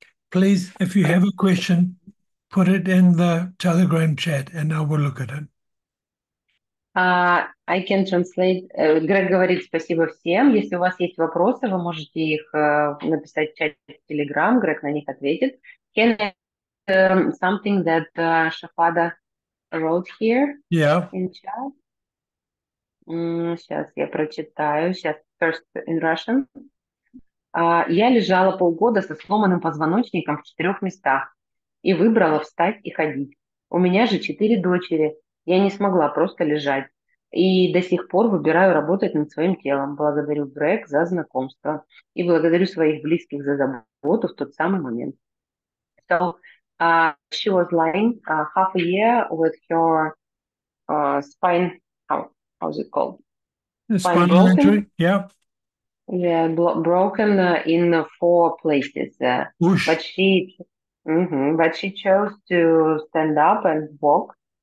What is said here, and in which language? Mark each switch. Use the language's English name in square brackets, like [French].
[English] Please, if you have a question, put it in the Telegram chat and I will look at it. I can translate. [Russian] Грег говорит спасибо всем. Если у вас есть вопросы, вы можете их написать в чате Telegram. Грег на них ответит. [English] Can I something that Шафада wrote here Yeah. in chat? [Russian] Сейчас я прочитаю. Сейчас [English] first in Russian. [Russian] Я лежала полгода со сломанным позвоночником в четырех местах и выбрала встать и ходить. У меня же четыре дочери. Я не смогла просто лежать. И до сих пор выбираю работать над своим телом. Благодарю Грег за знакомство и благодарю своих близких за заботу в тот самый момент. [English] So, she was lying half a year with her spine. How's it called? The Spine spinal broken. injury, yeah. Yeah, broken in four places. But Whoosh. she chose to stand up and walk.